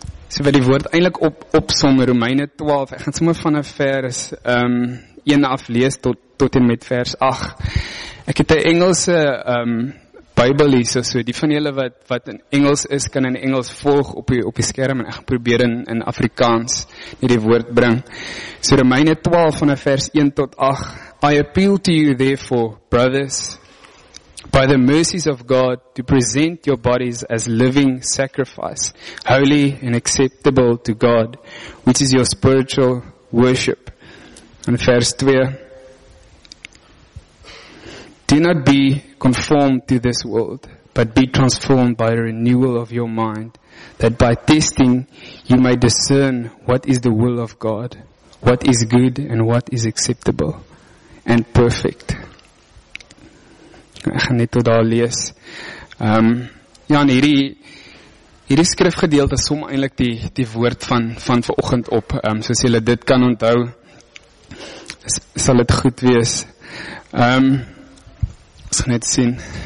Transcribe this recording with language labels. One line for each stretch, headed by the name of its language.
Afrikaans: So wat die woord eintlik opsom, Romeine 12, ek gaan sommer van 'n vers 1 af lees tot en met vers 8. Ek het 'n Engelse Bybel hier, so die van julle wat in Engels is, kan in Engels volg op die skerm, en ek probeer in Afrikaans die woord bring. So Romeine 12 van vers 1 tot 8,
English: I appeal to you therefore, brothers, by the mercies of God, to present your bodies as living sacrifice, holy and acceptable to God, which is your spiritual worship.
Afrikaans: In vers 2,
English: do not be conformed to this world, but be transformed by the renewal of your mind, that by testing you may discern what is the will of God, what is good and what is acceptable and perfect.
Afrikaans: Ek gaan net tot daar lees. En hierdie skrifgedeelte som eintlik die woord van vanoggend op. Soos julle dit kan onthou, sal dit goed wees. Ons gaan net sien.